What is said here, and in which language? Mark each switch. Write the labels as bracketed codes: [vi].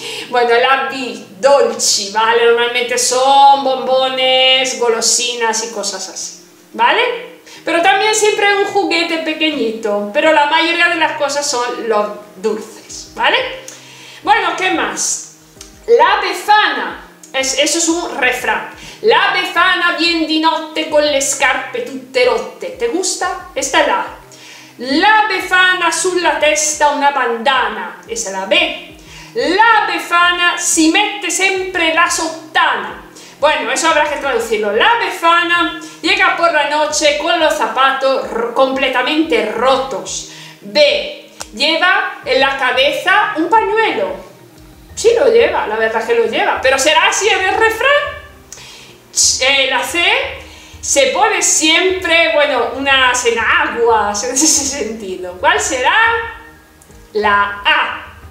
[es] Bueno, la B, dolci, ¿vale? Normalmente son bombones, golosinas y cosas así, ¿vale? Pero también siempre un juguete pequeñito, pero la mayoría de las cosas son los dulces, ¿vale? Bueno, ¿qué más? La Befana, eso es un refrán. [it] La Befana viene di notte con le scarpe tutte rotte. [es] ¿Te gusta? Esta es la A. [it] La Befana sulla testa una bandana. [es] Esa es la B. [it] La Befana si mette sempre la sottana. [es] Bueno, eso habrá que traducirlo. La Befana llega por la noche con los zapatos completamente rotos. B. Lleva en la cabeza un pañuelo. Sí lo lleva, la verdad que lo lleva. Pero ¿será así en el refrán? La C se pone siempre, bueno, unas enaguas en ese sentido. ¿Cuál será? La A.